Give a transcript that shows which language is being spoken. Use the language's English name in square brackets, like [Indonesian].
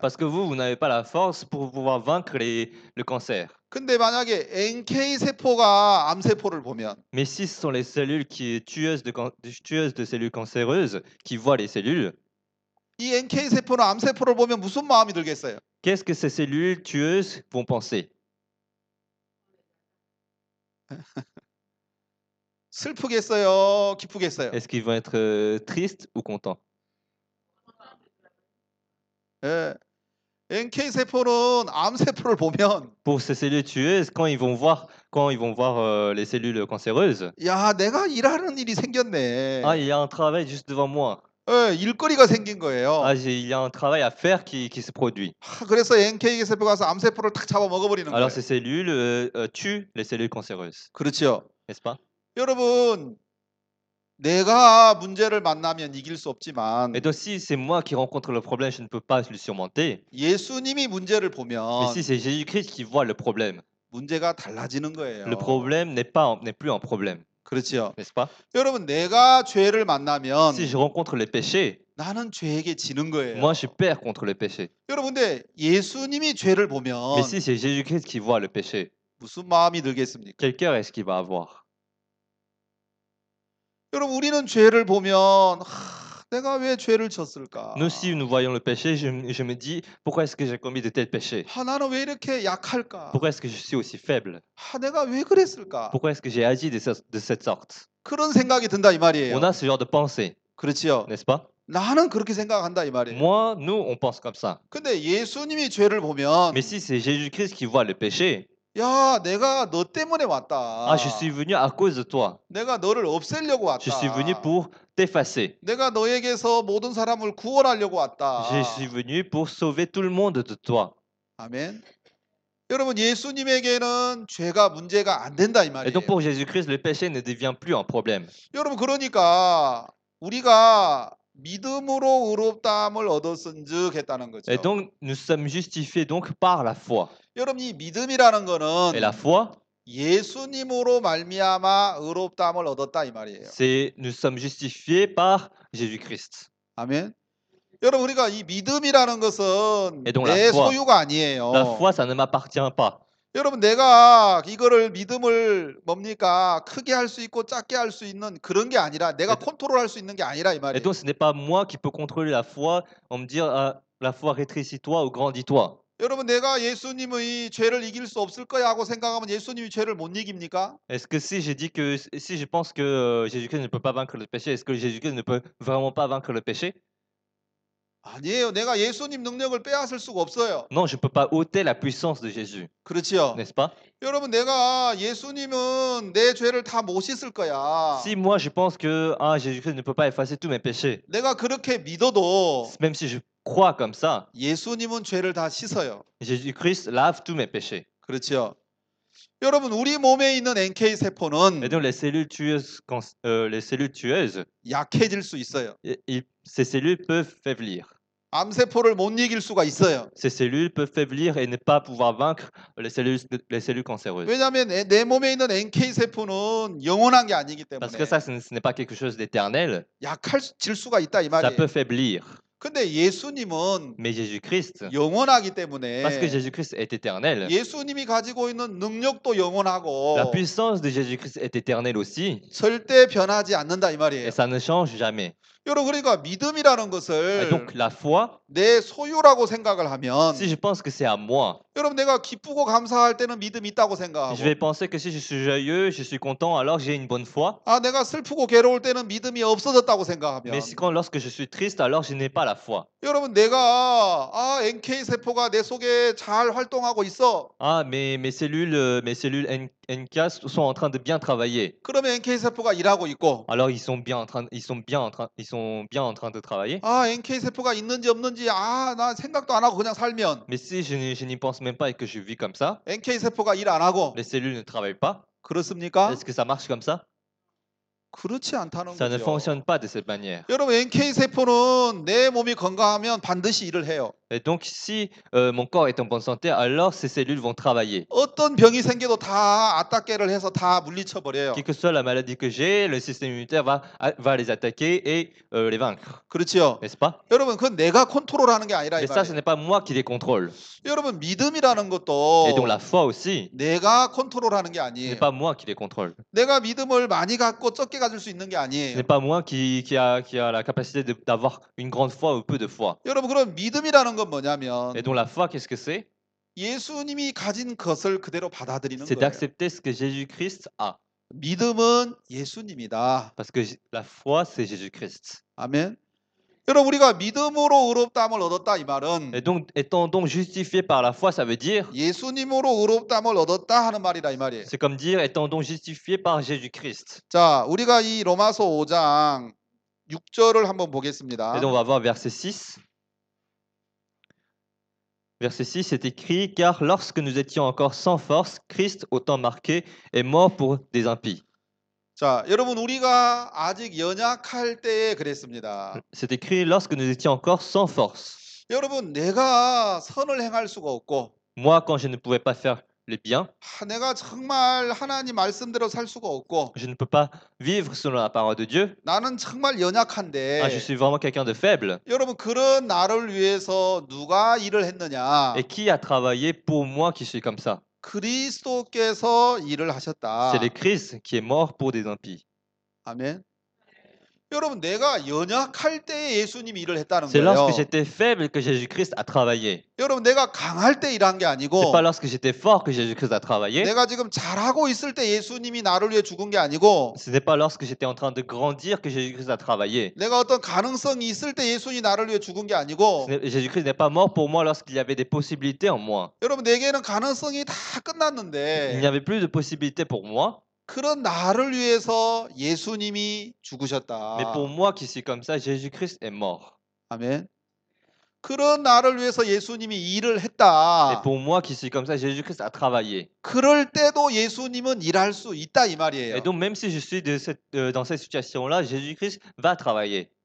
[French] Parce que vous n'avez pas la force pour pouvoir vaincre le cancer. [Korean] 근데 만약에 NK 세포가 암 세포를 보면 [French] Mais si ce sont les cellules qui sont tueuses de cellules cancéreuses qui voient les cellules [Korean] 이 NK 세포는 암 세포를 보면 무슨 마음이 들겠어요? [French] Qu'est-ce que ces cellules tueuses vont penser? [Korean] 슬프겠어요, 기쁘겠어요. [French] Est-ce qu'ils vont être tristes ou contents? [Korean] 예, NK 세포는 암 세포를 보면. [French] Pour ces cellules tueuses, quand ils vont voir les cellules cancéreuses. [Korean] 야, 내가 일하는 일이 생겼네. [French] Ah, il y a un travail juste devant moi. [Korean] 예, 일거리가 생긴 거예요. [French] Ah, il y a un travail à faire qui se produit. [Korean] 아, 그래서 NK 세포가 와서 암 세포를 탁 잡아 먹어버리는 거예요. [French] Alors ces cellules tuent les cellules cancéreuses. [Korean] 그렇죠. [French] N'est-ce pas? [Korean] 여러분, 내가 문제를 만나면 이길 수 없지만 [French] Et donc, si c'est moi qui rencontre le problème, je ne peux pas le surmonter. [Korean] 예수님이 문제를 보면 [French] Mais si c'est Jésus-Christ qui voit le problème. [Korean] 문제가 달라지는 거예요. [French] Le problème n'est plus un problème. [Korean] 그렇죠. [French] N'est-ce pas? [Korean] 여러분, 내가 죄를 만나면 [French] Si je rencontre les péchés, [Korean] 나는 죄에게 지는 거예요. [French] Moi je perds contre les péchés. [Korean] 여러분들, 예수님이 죄를 보면 [French] Mais si c'est Jésus-Christ qui voit le péché. [Korean] 무슨 마음이 들겠습니까? [French] Quel cœur est-ce qu'il va avoir? [Korean] 여러분 우리는 죄를 보면 내가 왜 죄를 졌을까? [French] Nous si nous voyons le péché, je me dis pourquoi est-ce que j'ai commis de tels péchés? [Korean] 아, 나는 왜 이렇게 약할까? [French] Pourquoi est-ce que je suis aussi faible? [Korean] 아, 내가 왜 그랬을까? [French] Pourquoi est-ce que j'ai agi de cette sorte? [Korean] 그런 생각이 든다 이 말이에요. [French] On a ce genre de pensée. [Korean] 그렇지요. [French] N'est-ce pas? [Korean] 나는 그렇게 생각한다 이 말이에요. [French] Moi, nous on pense comme ça. [Korean] 근데 예수님이 죄를 보면 [French] Mais si c'est Jésus-Christ qui voit le péché, [Korean] 야, 내가 너 때문에 왔다. [French] Ah, je suis venu à cause de toi. [Korean] 내가 너를 없애려고 왔다. [French] Je suis venu pour t'effacer. [Korean] 내가 너에게서 모든 사람을 구원하려고 왔다. [French] Je suis venu pour sauver tout le monde de toi. [Korean] 아멘. 여러분, 예수님에게는 죄가 문제가 안 된다 이 말이에요. [French] Et donc pour Jésus-Christ, le péché ne devient plus un problème. [Korean] 여러분, 그러니까 우리가 믿음으로 의롭다함을 얻었은즉 했다는 거죠. [French] Et donc nous sommes justifiés donc par la foi. [Korean] 여러분 이 믿음이라는 거는 [French] Et la foi? [Korean] 예수님으로 말미암아 의롭다함을 얻었다 이 말이에요. [French] C'est nous sommes justifiés par Jésus-Christ. [Korean] 아멘. 여러분 우리가 이 믿음이라는 것은 내 소유가 아니에요. [French] La foi ça ne m'appartient pas. [Korean] 여러분 내가 이거를 믿음을 뭡니까? 크게 할 수 있고 작게 할 수 있는 그런 게 아니라 내가 컨트롤 할 수 있는 게 아니라 이 말이에요. [French] Et donc ce n'est pas moi qui peux contrôler la foi, on me dit la foi rétrécis-toi ou grandis-toi. [Korean] 여러분 내가 예수님의 죄를 이길 수 없을 거야 하고 생각하면 예수님이 죄를 못 이깁니까? [French] Est-ce que si je dis que si je pense que Jésus-Christ ne peut pas vaincre le péché, est-ce que Jésus-Christ ne peut vraiment pas vaincre le péché? [Korean] 아니에요. 내가 예수님 능력을 빼앗을 수가 없어요. [French] Non, je peux pas ôter la puissance de Jésus. [Korean] 그렇지요. [French] N'est-ce pas? [Korean] 여러분 내가 예수님은 내 죄를 다 못 씻을 거야. [French] Si moi je pense que Jésus-Christ ne peut pas effacer tous mes péchés. [Korean] 내가 그렇게 믿어도 [French] Même si je crois comme ça. [Korean] 예수님은 죄를 다 씻어요. [French] Jésus-Christ lave tous mes péchés. [Korean] 그렇지요. 여러분 우리 몸에 있는 NK 세포는 [French] Et donc, les cellules tueuses [Korean] 약해질 수 있어요. [French] Ces cellules peuvent faiblir. [Korean] 암세포를 못 이길 수가 있어요. [French] Ces cellules peuvent faiblir et ne pas pouvoir vaincre les cellules cancéreuses. [Korean] 왜냐하면 내 몸에 있는 NK 세포는 영원한 게 아니기 때문에. [French] Parce que ça, ce n'est pas quelque chose d'éternel. [Korean] 약할 질 수가 있다 이 말이에요. [French] Ça peut faiblir. [Korean] 근데 예수님은 [French] Mais Jésus-Christ, [Korean] 영원하기 때문에 [French] Jésus-Christ est éternel, [Korean] 예수님이 가지고 있는 능력도 [French] la [Korean] 영원하고 [French] puissance de Jésus-Christ est éternelle aussi, [Korean] 절대 변하지 않는다 이 말이에요. [French] et ça ne change jamais. [Korean] 여러분, 그러니까 믿음이라는 것을 [French] Donc, la foi, [Korean] 내 소유라고 생각을 하면, [French] si je pense que c'est à moi, [Korean] 여러분, 내가 기쁘고 감사할 때는 믿음이 있다고 생각하고, [French] je vais penser que si je suis joyeux, je suis content, alors j'ai une bonne foi. [Korean] 아, 내가 슬프고 괴로울 때는 믿음이 없어졌다고 생각하면, [French] mais si quand, lorsque je suis triste, alors je n'ai pas la foi. [Korean] 여러분, 내가 아, NK세포가 내 속에 잘 활동하고 있어. [French] 아, mes cellules NK sont en train de bien travailler. [Korean] 그러면 NK세포가 일하고 있고, [French] alors ils sont bien en train de travailler. [Korean] 아, NK세포가 있는지 없는지 아, 나 생각도 안 하고 그냥 살면. [French] Mais si je n'y pense même pas et que je vis comme ça. [Korean] NK세포가 일 안 하고. [French] Les cellules ne travaillent pas. [Korean] 그렇습니까? [French] Est-ce que ça marche comme ça? [Korean] 그렇지 않다는 거죠. [French] Ça ne fonctionne pas de cette manière. [Korean] 여러분, NK세포는 내 몸이 건강하면 반드시 일을 해요. [French] Et donc si mon corps est en bonne santé, alors ces cellules vont travailler. [Korean] 어떤 병이 생겨도 다 아따깨를 해서 다 물리쳐 버려요. [French] Quelle que soit la maladie que j'ai, le système immunitaire va les attaquer et les vaincre. [Korean] 그렇지요. [French] N'est-ce pas? [Korean] 여러분, 그건 내가 컨트롤하는 게 아니라 이 말이에요. [French] Mais ça, ce n'est pas moi qui les contrôle. [Korean] 여러분, 믿음이라는 것도 [French] Et donc la foi aussi. [Korean] 내가 컨트롤하는 게 아니에요. [French] Ce n'est pas moi qui les contrôle. [Korean] 내가 믿음을 많이 갖고 적게 가질 수 있는 게 아니에요. [French] Ce n'est pas moi qui a la capacité d'avoir une grande foi ou peu de foi. [Korean] 여러분, 그럼 믿음이라는 건 뭐냐면 [French] Et donc la foi, qu'est-ce que c'est? [Korean] 예수님이 가진 것을 그대로 받아들이는 [French] c'est [Korean] 거예요. [French] C'est d'accepter ce que Jésus-Christ a. [Korean] 믿음은 예수님이다. [French] Parce que la foi, c'est Jésus-Christ. [Korean] 아멘. 여러분, 우리가 믿음으로 의롭다함을 얻었다 이 말은 [French] Et donc étant donc justifié par la foi, ça veut dire [Korean] 예수님으로 의롭다함을 얻었다 하는 말이다 이 말이에요. [French] C'est comme dire étant donc justifié par Jésus-Christ. [Korean] 자, 우리가 이 로마서 5장 6절을 한번 보겠습니다. [French] Et donc on va voir verset 6. Verset 6 est écrit « Car lorsque nous étions encore sans force, Christ, au temps marqué, est mort pour des impies. » [Korean] 자, 여러분, 우리가 아직 연약할 때에 그랬습니다. [French] C'est écrit « Lorsque nous étions encore sans force. » [Korean] 여러분, 내가 선을 행할 수가 없고 [French] Moi, quand je ne pouvais pas faire le bien, [Korean] 아, 내가 정말 하나님 말씀대로 살 수가 없고 [French] Je ne peux pas vivre selon la parole de Dieu. [Korean] 나는 정말 연약한데 [French] ah, Je suis vraiment quelqu'un de faible. [Korean] 여러분, 그런 나를 위해서 누가 일을 했느냐 [French] Et qui a travaillé pour moi qui suis comme ça? [Korean] 그리스도께서 일을 하셨다. [French] C'est le Christ qui est mort pour des impies. [Korean] 아멘. 여러분, 내가 연약할 때 예수님이 일을 했다는 [French] C'est [Korean] 거예요. [French] C'est lorsque j'étais faible que Jésus-Christ a travaillé. [Korean] 여러분, 내가 강할 때 일한 게 아니고 [French] C'est pas lorsque j'étais fort que Jésus-Christ a travaillé. [Korean] 내가 지금 잘하고 있을 때 예수님이 나를 위해 죽은 게 아니고 [French] Ce n'est pas lorsque j'étais en train de grandir que Jésus-Christ a travaillé. [Korean] 내가 어떤 가능성이 있을 때 예수님이 나를 위해 죽은 게 아니고 [French] Jésus-Christ n'est pas mort pour moi lorsqu'il y avait des possibilités en moi. [Korean] 여러분, 내게는 가능성이 다 끝났는데 [French] Il n'y avait plus de possibilités pour moi. [Korean] 그런 나를 위해서 예수님이 죽으셨다. [French] Mais pour moi qui suis comme ça, Jésus-Christ est mort. [Korean] 아멘. 그런 나를 위해서 예수님이 일을 했다. [French] Mais pour moi qui suis comme ça, Jésus-Christ a travaillé. [Korean] 그럴 때도 예수님은 일할 수 있다 이 말이에요. [French] Et donc même si je suis dans cette situation-là, Jésus-Christ va travailler.